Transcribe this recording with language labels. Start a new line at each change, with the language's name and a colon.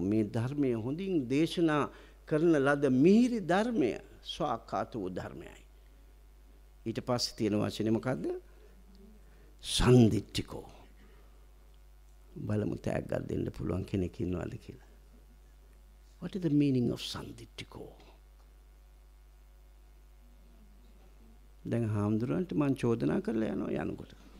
Sinhala: මේ ධර්මය හොඳින් දේශනා කරන ලද මිහිරි ධර්මය ස්වාඛාත වූ ධර්මයයි. ඊට පස්සේ තියෙන වචනේ මොකද්ද? සන්දිට්ඨිකෝ. බලමු තෑග්ගක් දෙන්න පුළුවන් කෙනෙක් ඉන්නවද කියලා.
English: What is the meaning of sandittiko?
Sinhala: දැන් හාමුදුරන්ට මම චෝදනා කරලා යනවා යනකොට.